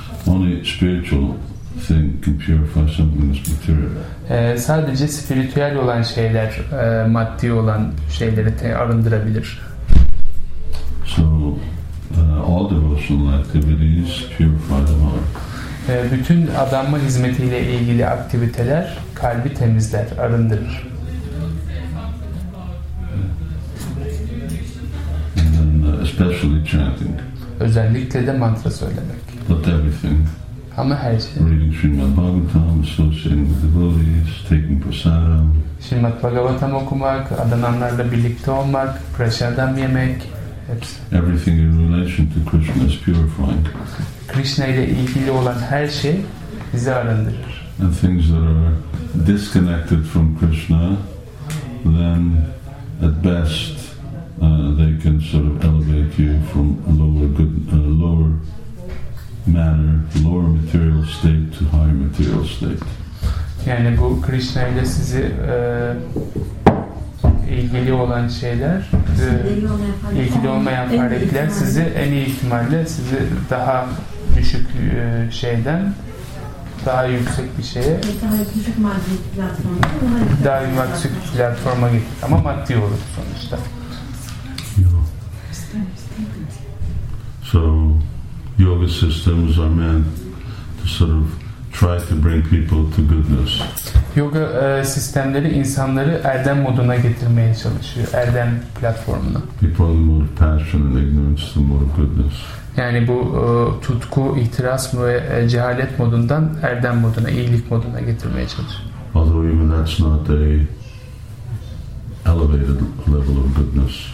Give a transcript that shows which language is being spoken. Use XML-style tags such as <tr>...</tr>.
<en>Only spiritual thing can purify something that's material.</en> <tr>Sadece spiritüel olan şeyler, maddi olan şeyleri arındırabilir.</tr> <en>So all devotional activities purify the heart.</en> <tr>Bütün adanma hizmetiyle ilgili aktiviteler kalbi temizler, arındırır.</tr> <en>Especially chanting.</en> <tr>Özellikle de mantra söylemek.</tr> <en>But everything.</en> <tr>Ama her şey.</tr> <en>Reading Srimad Bhagavatam, associating with devotees, taking prasadam.</en> <tr>Srimad Bhagavatam okumak, adananlarla birlikte olmak, prasadam yemek, hepsi.</tr> <en>Everything in relation to Krishna is purifying.</en> <tr>Krishna ile ilgili olan her şey bizi arındırır.</tr> <en>And things that are disconnected from Krishna, then at best they can sort of elevate you from a lower good, lower manner, lower material state to higher material state.</en> <tr>Yani bu Krishna ile sizi ilgili olan şeyler, ilgili olmayan hareketler sizi en iyi ihtimalle sizi daha düşük şeyden daha yüksek bir şeye, daha düşük maddi platforma, daha yüksek platforma gitti ama maddi olur sonuçta.</tr> <en>So, yoga systems are meant to sort of try to bring people to goodness.</en> <tr>Yoga sistemleri insanları erdem moduna getirmeye çalışıyor, erdem platformuna.</tr> <en>People are more passion and ignorance to more goodness.</en> <tr>Yani bu tutku, ihtiras ve cehalet modundan erdem moduna, iyilik moduna getirmeye çalışıyor. A</tr> <en>Although even that's not a elevated level of goodness.</en>